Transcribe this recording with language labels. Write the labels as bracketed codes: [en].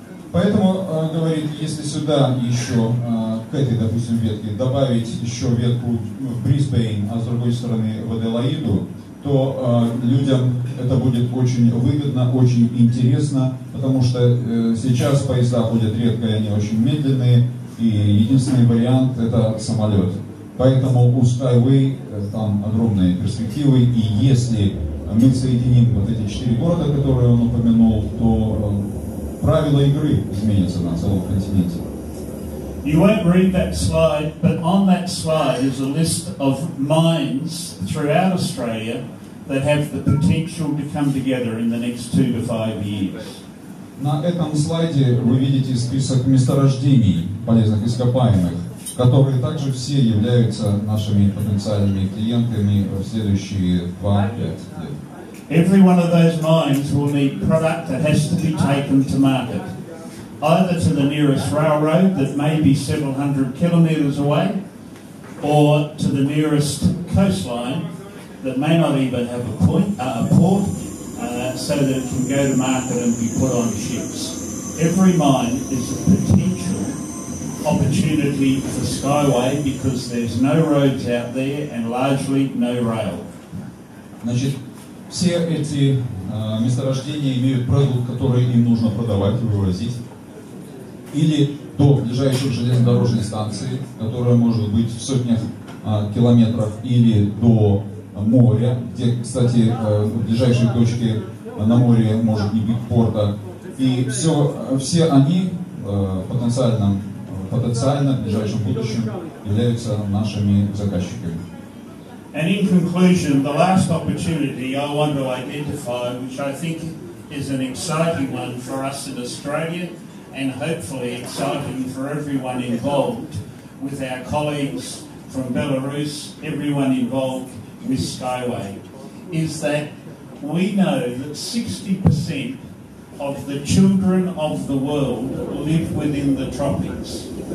[ru] Поэтому, говорит, если сюда еще, к этой, допустим, ветке, добавить еще ветку в Брисбейн, а с другой стороны в Аделаиду, то людям это будет очень выгодно, очень интересно, потому что сейчас поезда ходят редко, и они очень медленные, и единственный вариант – это самолет. Поэтому у SkyWay там огромные перспективы, и если мы соединим вот эти четыре города, которые он упомянул, то... Правила игры изменятся на целом континенте. [en] You won't read that slide, but on that slide is a list of mines throughout Australia that have the potential to come together in the next 2 to 5 years. [ru] На этом слайде вы видите список месторождений полезных ископаемых, которые также все являются нашими потенциальными клиентами в следующие 2-5 лет. [en] Every one of those mines will need product that has to be taken to market, either to the nearest railroad that may be several hundred kilometers away, or to the nearest coastline that may not even have a port, so that it can go to market and be put on ships. Every mine is a potential opportunity for SkyWay because there's no roads out there and largely no rail. [ru] Все эти месторождения имеют продукт, который им нужно продавать, вывозить. Или до ближайшей железнодорожной станции, которая может быть в сотнях километров, или до моря, где, кстати, в ближайшей точке на море может не быть порта. И все они потенциально в ближайшем будущем являются нашими заказчиками. [en] And in conclusion, the last opportunity I want to identify, which I think is an exciting one for us in Australia and hopefully exciting for everyone involved with our colleagues from Belarus, everyone involved with SkyWay, is that we know that 60% of the children of the world live within the tropics,